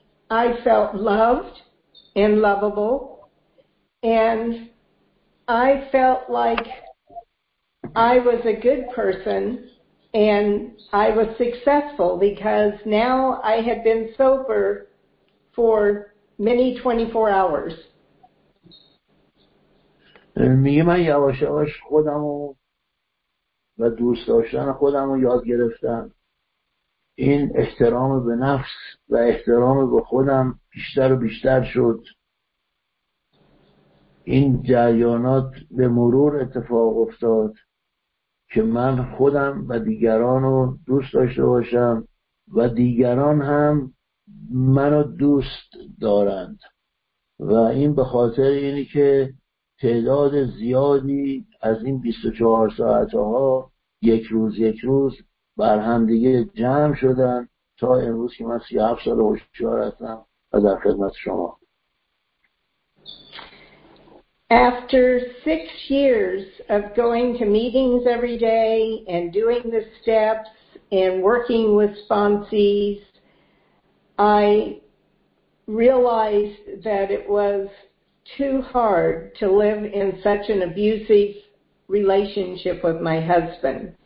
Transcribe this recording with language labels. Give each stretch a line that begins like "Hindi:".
English: I felt loved and lovable, and I felt like I was a good person and I was successful, because now I had been sober for many 24 hours.
Persian: میگه من یواش یواش خودمو و دوست داشتن خودمو یاد گرفتم. این احترام به نفس و احترام به خودم بیشتر و بیشتر شد. این جریانات به مرور اتفاق افتاد که من خودم و دیگرانو دوست داشته باشم و دیگران هم منو دوست دارند. و این به خاطر اینی که تعداد زیادی از این 24 ساعت‌ها یک روز یک روز بر هم دیگه جمع شدن تا امروز که من 37 سال هوشیار هستم و در خدمت شما.
English: After 6 years of going to meetings every day and doing the steps and working with sponsees, I realized that it was too hard to live in such an abusive relationship with my husband.